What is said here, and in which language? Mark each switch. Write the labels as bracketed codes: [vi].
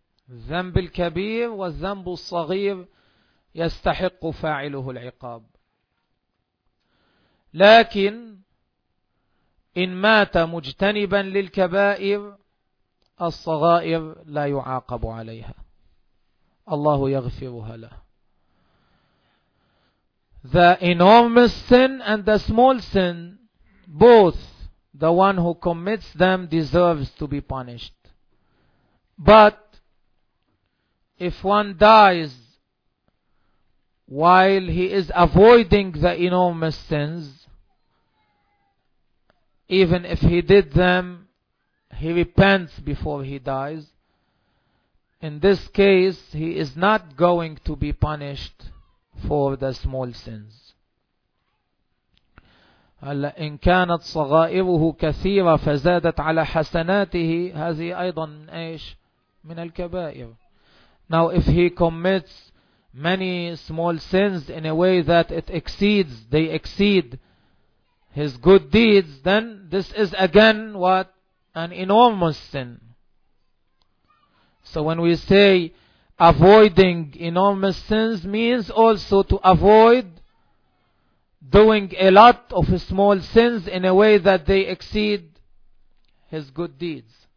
[ar] الذنب الكبير والذنب الصغير يستحق فاعله العقاب. لكن إن مات مجتنبا للكبائر الصغائر لا يعاقب عليها. Allah يغفرها له. [en] The enormous sin and the small sin, both the one who commits them deserves to be punished. But if one dies while he is avoiding the enormous sins, even if he did them, he repents before he dies. In this case, he is not going to be punished for the small sins. [ar] هلا إن كانت صغائره كثيرة فزادت على حسناته، هذه أيضا من إيش؟ من الكبائر. [en] Now if he commits many small sins in a way that it exceeds, they exceed his good deeds, then this is again what? An enormous sin. So when we say avoiding enormous sins means also to avoid doing a lot of small sins in a way that they exceed his good deeds.